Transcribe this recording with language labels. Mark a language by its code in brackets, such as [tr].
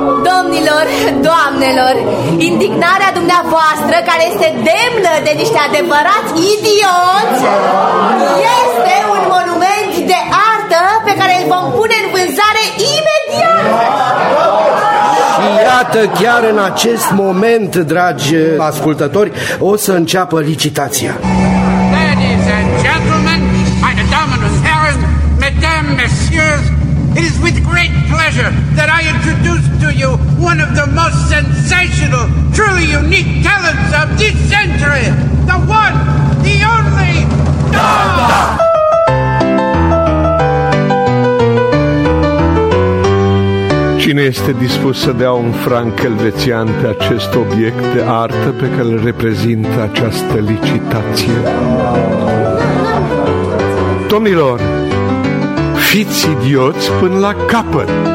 [ro] Domnilor, doamnelor, indignarea dumneavoastră, care este demnă de niște adevărați idioți, este un monument de artă pe care îl vom pune în vânzare imediat. Iată, chiar în acest moment, dragi ascultători, o să înceapă licitația. [en] Ladies and gentlemen, [fr] mesdames et messieurs, mesdames, messieurs, [en] it is with great pleasure that I introduce to you one of the most sensational, truly unique talents of this century, the one, the only, Dada! [ro] Cine este dispus să dea un franc elvețian pe acest obiect de artă pe care îl reprezintă această licitație? Domnilor, fiți idioți până la capăt!